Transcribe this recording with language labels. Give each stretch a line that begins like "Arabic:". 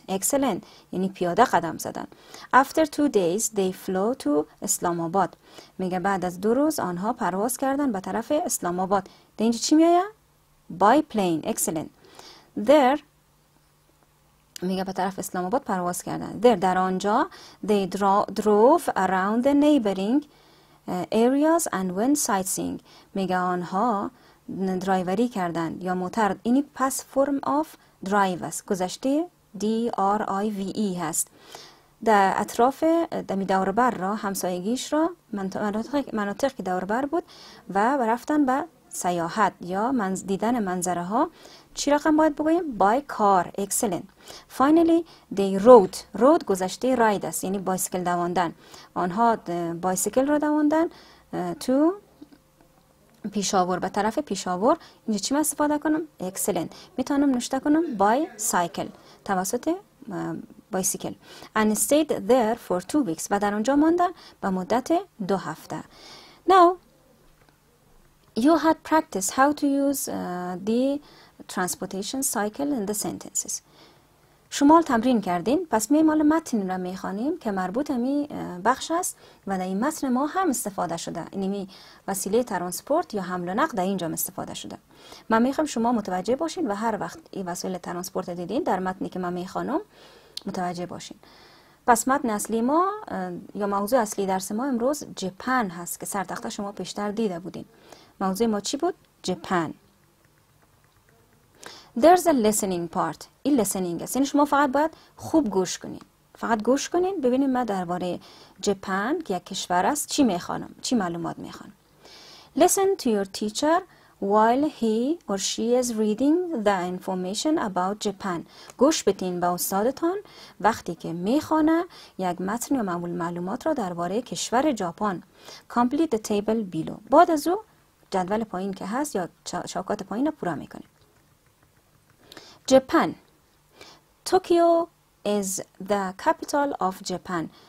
English: Excellent.
Persian: یعنی پیاده قدم زدن.
English: After 2 days they flew to Islamabad.
Persian: میگه بعد از 2 روز آنها پرواز کردن به طرف اسلام‌آباد. در اینجا چی میایه؟
English: By plane. Excellent.
Persian: There میگه به طرف اسلام‌آباد پرواز کردن.
English: There
Persian: در آنجا
English: they drove around the neighboring areas and went sightseeing.
Persian: میگه آنها درایوری کردن یا موتر. اینی پس فرم آف درایو است. گذشته D-R-I-V-E هست. در اطراف دمی دوربر را همسایگیش را مناطق که دوربر بود و رفتن به سیاحت یا دیدن منظره ها. چی رقم باید بگویم؟
English: By car. Excellent. Finally they rode.
Persian: Rode گذشته راید است یعنی بایسکل دواندن. آنها بایسکل را دواندن تو پیشاور، به طرف پیشاور. اینجا چی من استفاده کنم؟ Excellent. میتونم نوشته کنم
English: by cycle،
Persian: توسط بایسیکل.
English: And stayed there for 2 weeks.
Persian: و در اونجا ماندن به مدت 2 هفته.
English: Now you had practiced how to use the transportation cycle in the sentences.
Persian: شما تمرین کردین، پس می مال متن را می خوانیم که مربوط همی بخش است و در این متن ما هم استفاده شده، یعنی وسیله ترانسپورت یا حمل و نقل در اینجا استفاده شده. من می خوام شما متوجه باشین و هر وقت این وسیله ترانسپورت دیدین در متنی که من می خوانم متوجه باشین. پس متن اصلی ما یا موضوع اصلی درس ما امروز ژاپن هست که سرتخته شما پیشتر دیده بودین. موضوع ما چی بود؟ ژاپن.
English: There's a listening part.
Persian: این listening است. یعنی شما فقط باید خوب گوش کنین. فقط گوش کنین. ببینیم ما درباره ژاپن که یک کشور است چی میخوانم. چی معلومات میخوانم.
English: Listen to your teacher while he or she is reading the information about Japan.
Persian: گوش بدین به استادتان وقتی که میخوانه یک متن یا معلومات را درباره کشور ژاپن.
English: Complete the table below.
Persian: بعد از او جدول پایین که هست یا چاکات پایین را پورا میکنیم.
English: Japan. Tokyo is the capital of Japan.